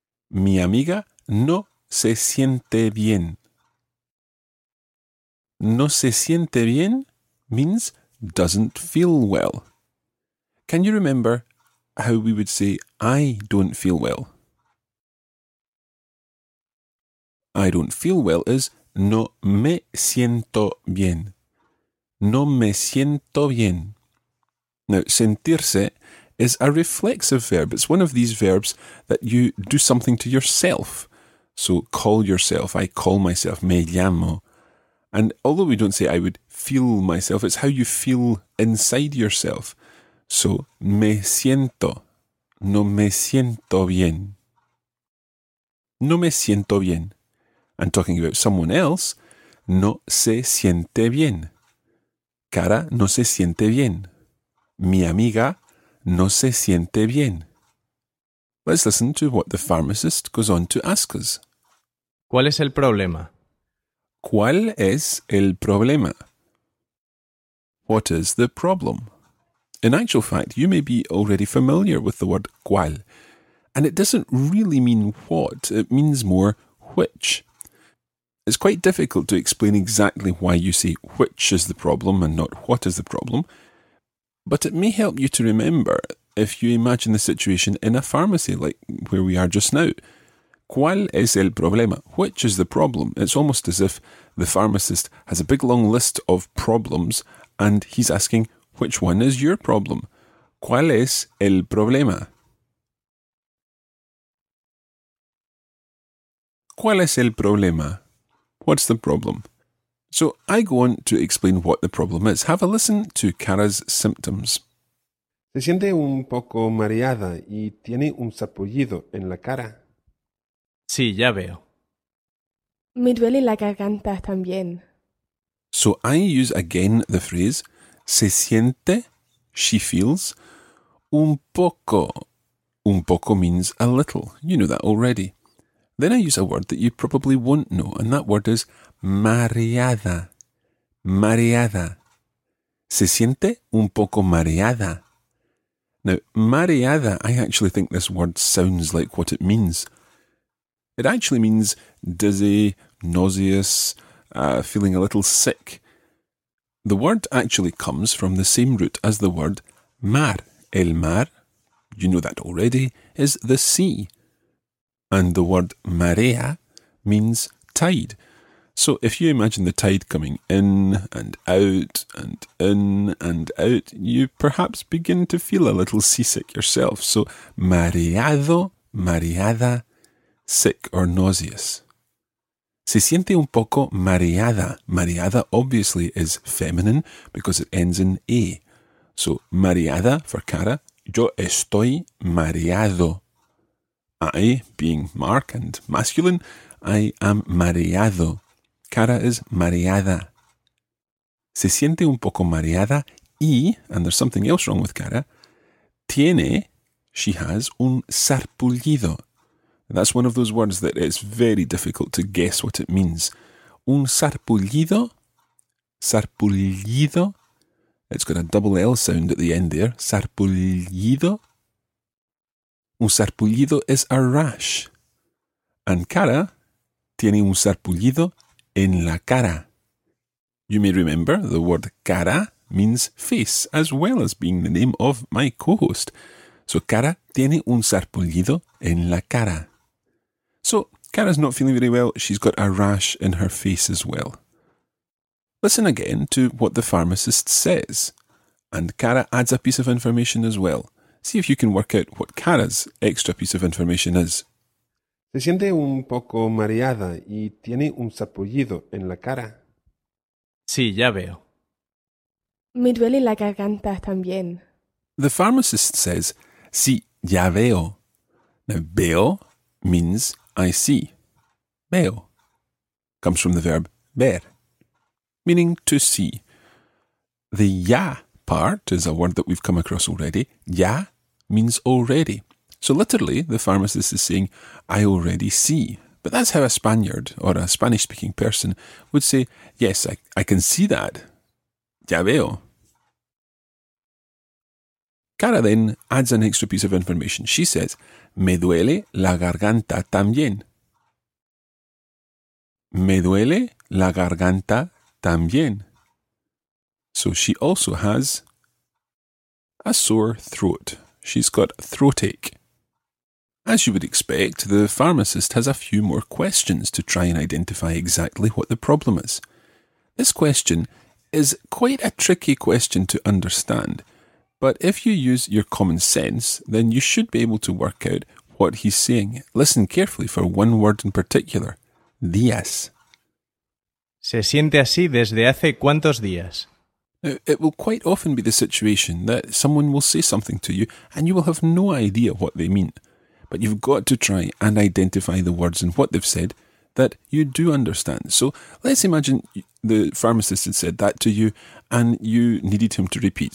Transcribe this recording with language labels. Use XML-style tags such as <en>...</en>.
<es>Mi amiga no se siente bien. No se siente bien</es> <en>means doesn't feel well. Can you remember how we would say I don't feel well? I don't feel well is</en> <es>no me siento bien. No me siento bien.</es> <en>Now, sentirse is a reflexive verb. It's one of these verbs that you do something to yourself. So, call yourself. I call myself. Me llamo. And although we don't say I would feel myself, it's how you feel inside yourself.</en> <es>So, me siento. No me siento bien. No me siento bien.</es> <en>And talking about someone else,</en> <es>no se siente bien. Cara no se siente bien. Mi amiga no se siente bien.</es> <en>Let's listen to what the pharmacist goes on to ask us.</en> <es>¿Cuál es el problema? ¿Cuál es el problema?</es> <en>What is the problem? In actual fact, you may be already familiar with the word cuál, and it doesn't really mean what, it means more which. It's quite difficult to explain exactly why you say which is the problem and not what is the problem, but it may help you to remember if you imagine the situation in a pharmacy like where we are just now.</en> <es>¿Cuál es el problema?</es> <en>Which is the problem? It's almost as if the pharmacist has a big long list of problems and he's asking, which one is your problem?</en> <es>¿Cuál es el problema? ¿Cuál es el problema?</es> <en>What's the problem? So I go on to explain what the problem is. Have a listen to Cara's symptoms.</en> <es>Se siente un poco mareada y tiene un sarpullido en la cara. Sí, ya veo. Me duele la garganta también.</es> <en>So I use again the phrase, se siente, she feels, un poco. Un poco means a little, you know that already. Then I use a word that you probably won't know, and that word is mareada.</en> <es>Mareada. Se siente un poco mareada.</es> <en>Now, mareada, I actually think this word sounds like what it means. It actually means dizzy, nauseous, feeling a little sick. The word actually comes from the same root as the word mar. El mar, you know that already, is the sea. And the word marea means tide. So if you imagine the tide coming in and out and in and out, you perhaps begin to feel a little seasick yourself. So mareado, mareada, sick or nauseous.</en> <es>Se siente un poco mareada.</es> <en>Mareada obviously is feminine because it ends in a.</en> <es>So mareada for Cara, yo estoy mareado.</es> <en>I, being Mark and masculine, I am mareado. Cara is mareada.</en> <es>Se siente un poco mareada y,</es> <en>and there's something else wrong with Cara, tiene, she has, un sarpullido. That's one of those words that is very difficult to guess what it means.</en> <es>Un sarpullido, sarpullido.</es> <en>It's got a double L sound at the end there, sarpullido. Un sarpullido is a rash.</en> <es>And Cara tiene un sarpullido en la cara.</es> <en>You may remember the word cara means face, as well as being the name of my co-host.</en> <es>So Cara tiene un sarpullido en la cara.</es> <en>So Cara's not feeling very well. She's got a rash in her face as well. Listen again to what the pharmacist says. And Cara adds a piece of information as well. See if you can work out what Cara's extra piece of information is.</en> <es>Se siente un poco mareada y tiene un sarpullido en la cara. Sí, ya veo. Me duele la garganta también.</es> <en>The pharmacist says,</en> <es>sí, ya veo.</es> <en>Now, veo means I see. Veo comes from the verb ver, meaning to see. The ya part is a word that we've come across already. Ya means already. So literally, the pharmacist is saying, I already see. But that's how a Spaniard or a Spanish-speaking person would say, yes, I can see that. Ya veo. Cara then adds an extra piece of information. She says,</en> <es>me duele la garganta también. Me duele la garganta también.</es> <en>So she also has a sore throat. She's got throatache. As you would expect, the pharmacist has a few more questions to try and identify exactly what the problem is. This question is quite a tricky question to understand, but if you use your common sense, then you should be able to work out what he's saying. Listen carefully for one word in particular, días.</en> <es>Se siente así desde hace cuántos días.</es> <en>Now, it will quite often be the situation that someone will say something to you and you will have no idea what they mean. But you've got to try and identify the words and what they've said that you do understand. So let's imagine the pharmacist had said that to you and you needed him to repeat.</en>